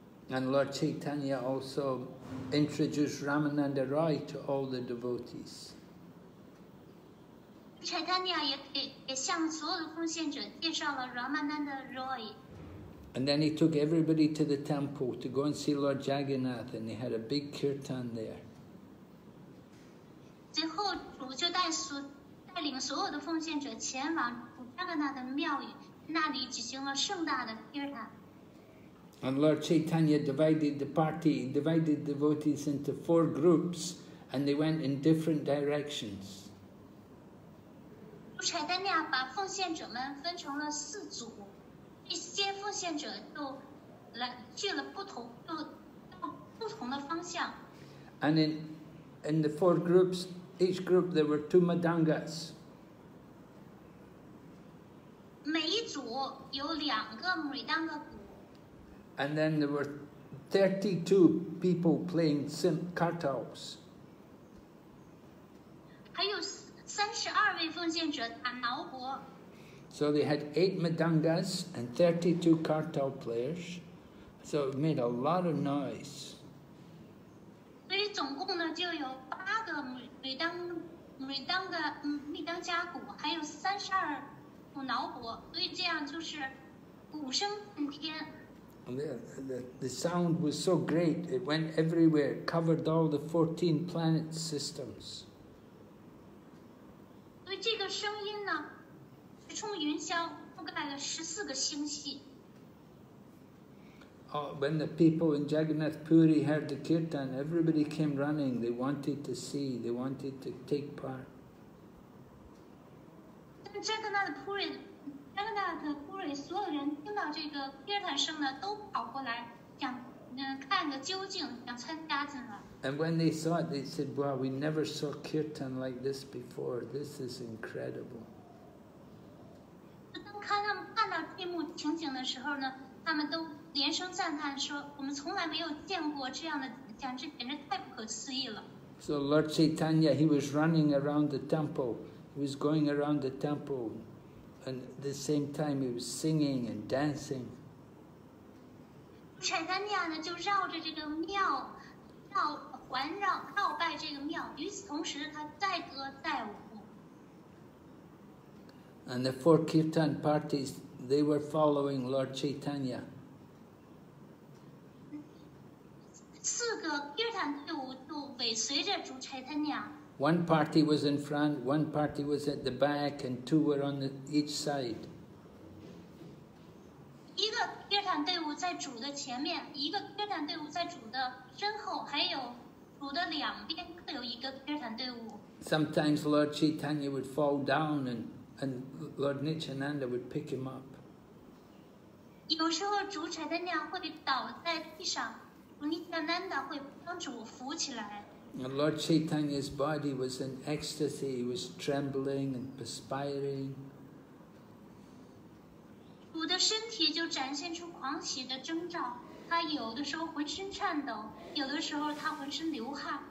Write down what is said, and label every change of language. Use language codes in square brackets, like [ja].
[en] And Lord Chaitanya also introduced Ramananda Roy to all the devotees. [zh] Chaitanya 也向所有的奉献者介绍了 Ramananda Roy. [en] And then he took everybody to the temple to go and see Lord Jagannath, and they had a big kirtan there. [zh] 最后，主就带领所有的奉献者前往主迦格纳的庙宇，那里举行了盛大的 kirtan. [en] And Lord Chaitanya divided the party, divided devotees into four groups, and they went in different directions. [zh] Chaitanya 把奉献者们分成了四组，一些奉献者就来去了不同的方向。 [en] And in the four groups, each group there were two madangas. [zh] 每一组有两个 mridanga鼓。 [en] And then there were 32 people playing kartals. [zh] 还有32位奉献者打挠钹。 [en] So they had 8 madangas and 32 kartal players. So it made a lot of noise. [zh] 所以总共呢就有八个每当家鼓，还有32副挠钹，所以这样就是鼓声震天。 [en] The sound was so great, it went everywhere, it covered all the 14 planet systems. [zh] 所以这个声音呢，直冲云霄，覆盖了14个星系。 [en] Oh, when the people in Jagannath Puri heard the kirtan, everybody came running, they wanted to see, they wanted to take part. [zh] Jagannath Puri 所有人听到这个乐团声呢都跑过来想看个究竟，想参加进来。 [en] And when they saw it, they said, wow, we never saw kirtan like this before. This is incredible. [zh] 当他们看到这幕情景的时候呢，他们都连声赞叹说，我们从来没有见过这样的景象，这简直太不可思议了。 [en] So Lord Chaitanya, he was running around the temple. He was going around the temple. And at the same time, he was singing and dancing. [zh] Chaitanya 呢就绕着这个庙，绕环绕绕拜这个庙。与此同时，他载歌载舞。 [en] And the four kirtan parties, they were following Lord Chaitanya. [zh] 四个 kirtan 队伍就尾随着主 Chaitanya。 [en] One party was in front, one party was at the back, and two were on each side. [zh] 一个 kirtan 队伍在主的前面，一个 kirtan 队伍在主的身后，还有主的两边各有一个 kirtan 队伍。 [en] Sometimes Lord Chaitanya would fall down and Lord Nityananda would pick him up. [zh] 有时候主柴的娘会倒在地上，主尼加南达会帮主扶起来。 [en] And Lord Chaitanya's body was in ecstasy. He was trembling and perspiring. [zh] 主的身体就展现出狂喜的征兆。他有的时候浑身颤抖，有的时候他浑身流汗。